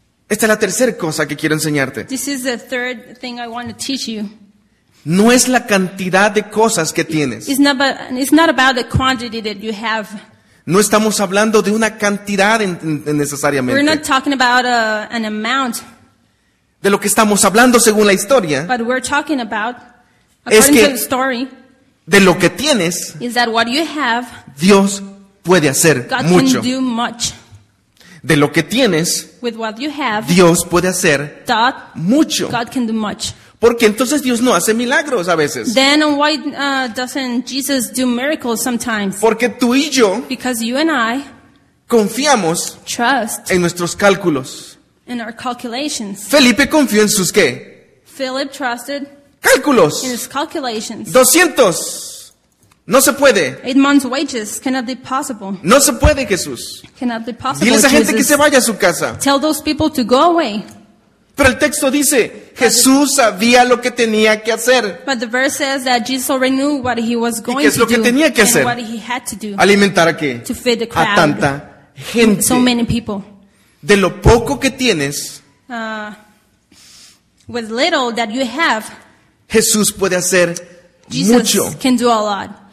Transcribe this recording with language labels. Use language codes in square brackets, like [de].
[es] Esta es la tercera cosa que quiero enseñarte. [en] This is the third thing I want to teach you. [es] No es la cantidad de cosas que tienes. [en] It's not about the quantity that you have. [es] No estamos hablando de una cantidad necesariamente. [en] We're not talking about an amount. [es] De lo que estamos hablando según la historia. [en] But we're talking about, [es] es que [en] to the story, [es] de lo que tienes. [en] Is that what you have, [es] Dios puede hacer [en] God [es] mucho. [en] Can do much. [es] De lo que tienes. [en] With what you have, [es] Dios puede hacer [en] God, [es] mucho. [en] God can do much. [es] Porque entonces Dios no hace milagros a veces. [en] Then why doesn't Jesus do miracles sometimes? [es] Porque tú y yo, [en] because you and I, [es] confiamos, [en] trust, [es] en nuestros cálculos, [en] in our calculations. [es] Felipe confió en sus qué? [en] Philip trusted, [es] cálculos, [en] in his calculations. [es] 200, no se puede. [en] 8 months wages cannot be possible. [es] No se puede, Jesús. [en] Cannot be possible. [es] Dile a esa [en] Jesus. [es] Gente que se vaya a su casa. [en] Tell those people to go away. [es] Pero el texto dice, Jesús sabía lo que tenía que hacer. [en] But the verse says that Jesus already knew what he was going to do. [es] ¿Y qué es lo que tenía que hacer? [en] And what he had to do. [es] ¿Alimentar a qué? [en] To feed the crowd. [es] A tanta gente. [en] So many people. [es] De lo poco que tienes. [en] With little that you have. [es] Jesús puede hacer [en] Jesus [es] mucho. [en] Jesus can do a lot.